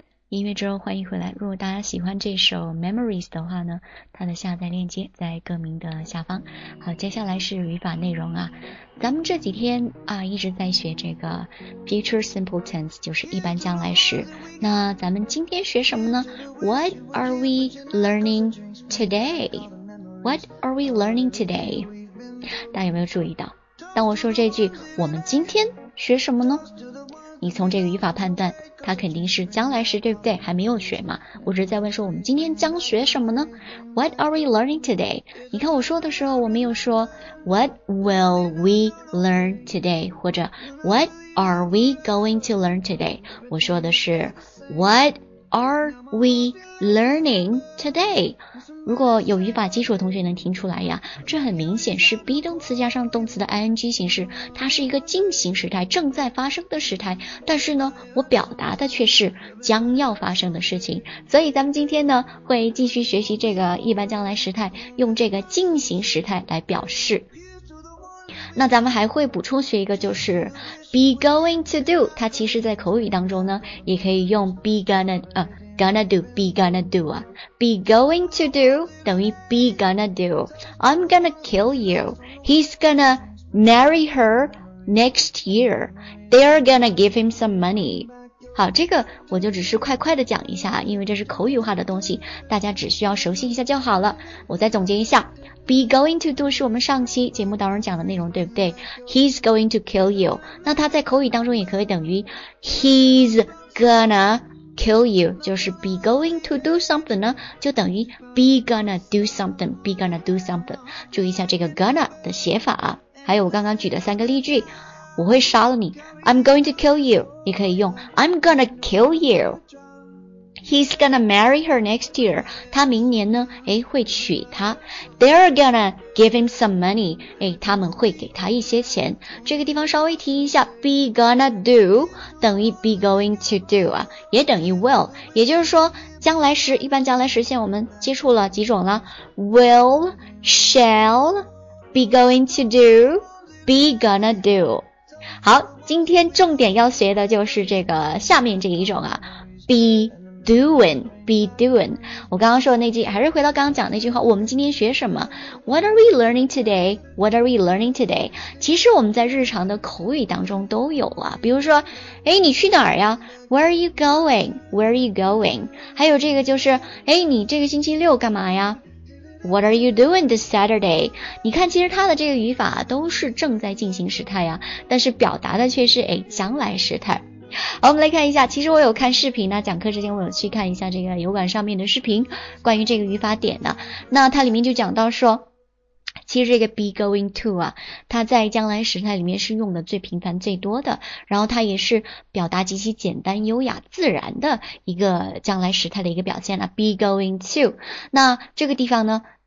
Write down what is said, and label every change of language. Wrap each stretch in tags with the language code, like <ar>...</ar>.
<zh>音乐之后欢迎回来，如果大家喜欢这首 Memories 的话呢，它的下载链接在歌名的下方。好，接下来是语法内容啊。咱们这几天啊一直在学这个 Future Simple Tense， 就是一般将来时。那咱们今天学什么呢？</zh> <en>What are we learning today? What are we learning today?</en> <zh>大家有没有注意到，当我说这句我们今天学什么呢，你从这个语法判断它肯定是将来时，对不对？还没有学嘛。我只是在问说我们今天将学什么呢？</zh> <en>What are we learning today?</en> <zh>你看我说的时候我没有说</zh> <en>What will we learn today?</en> <zh>或者</zh> <en>What are we going to learn today?</en> <zh>我说的是</zh> <en>What are we learning today?</en> <zh>如果有语法基础的同学能听出来呀，这很明显是 be 动词加上动词的 ing 形式，它是一个进行时态，正在发生的时态，但是呢我表达的却是将要发生的事情。所以咱们今天呢会继续学习这个一般将来时态，用这个进行时态来表示。那咱们还会补充学一个，就是</zh> <en>be going to do，</en> <zh>它其实在口语当中呢也可以用 be gonna gonna do， be gonna do 啊， be going to do 等于 be gonna do，</zh> <en>I'm gonna kill you， he's gonna marry her next year， they're gonna give him some money。</en> <zh>好，这个我就只是快快的讲一下，因为这是口语化的东西，大家只需要熟悉一下就好了。我再总结一下，</zh> <en>Be going to do</en> <zh>是我们上期节目当中讲的内容，对不对？</zh> <en>He's going to kill you，</en> <zh>那它在口语当中也可以等于</zh> <en>He's gonna kill you，</en> <zh>就是</zh> <en>Be going to do something</en> <zh>呢，就等于</zh> <en>Be gonna do something， Be gonna do something，</en> <zh>注意一下这个 gonna 的写法啊。还有我刚刚举的三个例句，我会杀了你，</zh> <en>I'm going to kill you，</en> <zh>你可以用</zh> <en>I'm gonna kill you， He's gonna marry her next year，</en> <zh>他明年呢，会娶她，</zh> <en>They're gonna give him some money，</en> <zh>他们会给他一些钱。这个地方稍微提一下，</zh> <en>Be gonna do</en> <zh>等于</zh> <en>be going to do</en> <zh>啊，也等于 will， 也就是说将来时，一般将来实现我们接触了几种了，</zh> <en>Will, shall, be going to do, be gonna do。</en> <zh>好，今天重点要学的就是这个下面这一种啊，</zh> <en>be doing, be doing。</en> <zh>我刚刚说的那句，还是回到刚刚讲那句话，我们今天学什么？</zh> <en>What are we learning today? What are we learning today?</en> <zh>其实我们在日常的口语当中都有啊，比如说你去哪儿呀？</zh> <en>Where are you going? Where are you going?</en> <zh>还有这个就是你这个星期六干嘛呀？</zh> <en>What are you doing this Saturday?</en> <zh>你看其实它的这个语法都是正在进行时态啊，但是表达的却是将来时态。好，我们来看一下，其实我有看视频呢，讲课之前我有去看一下这个油管上面的视频，关于这个语法点呢，那它里面就讲到说，其实这个</zh> <en>be going to</en> <zh>啊，它在将来时态里面是用的最频繁最多的，然后它也是表达极其简单优雅自然的一个将来时态的一个表现了。 be going to， 那这个地方呢，</zh>